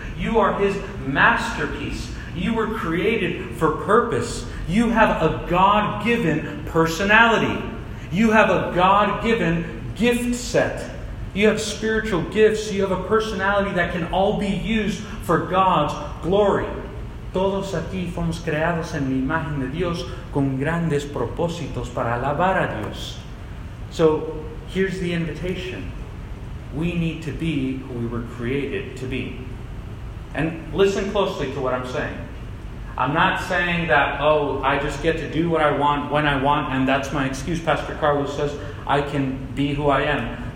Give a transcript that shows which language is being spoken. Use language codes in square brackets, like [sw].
[en] You are His masterpiece. You were created for purpose. You have a God-given personality. You have a God-given gift set. You have spiritual gifts. You have a personality that can all be used for God's glory. [es] Todos aquí fuimos creados en la imagen de Dios con grandes propósitos para alabar a Dios. [en] So, here's the invitation. We need to be who we were created to be. And listen closely to what I'm saying. I'm not saying that, oh, I just get to do what I want when I want and that's my excuse, Pastor Carlos says, I can be who I am.